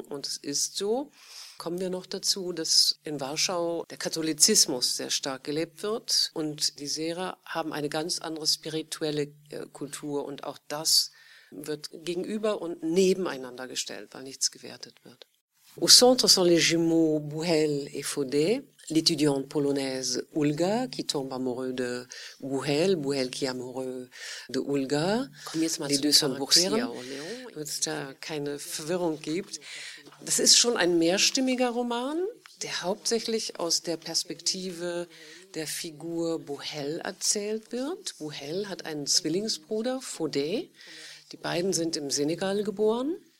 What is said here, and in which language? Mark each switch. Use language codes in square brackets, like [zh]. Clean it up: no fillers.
[de] Und es ist so. Kommen wir noch dazu, dass in Warschau der Katholizismus sehr stark gelebt wird. Und die Serer haben eine ganz andere spirituelle Kultur. Und auch das wird gegenüber und nebeneinander gestellt, weil nichts gewertet wird. [fr] Au centre sont les jumeaux Bouhel et Faudé, l'étudiante polonaise Olga qui tombe amoureuse de Bouhel, Bouhel qui est amoureux de Olga. Les deux sont boursiers, [de] damit es da keine Verwirrung gibt. Das ist schon ein mehrstimmiger Roman, der hauptsächlich aus der Perspektive der Figur Bouhel erzählt wird. Bouhel hat einen Zwillingsbruder, Faudé. Die beiden sind im Senegal geboren.